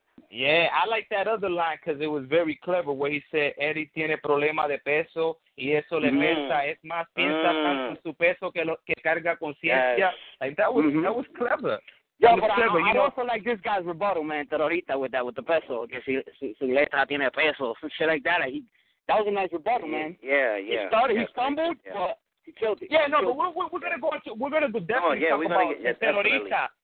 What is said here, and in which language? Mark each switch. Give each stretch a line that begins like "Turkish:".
English: Yeah, I like that other line because it was very clever where he said,
Spanish: Eddie tiene problema de peso y eso le pesa. Es más, piensa tanto su peso que carga conciencia.
English: Like, that was clever. Yo, was but clever, I also like this guy's rebuttal, man, Terrorista, with that, with the peso,
Spanish: que su letra tiene peso,
English: some shit like that. That was a nice rebuttal, man. Yeah. He stumbled, but he killed it. We're gonna go into Terrorista.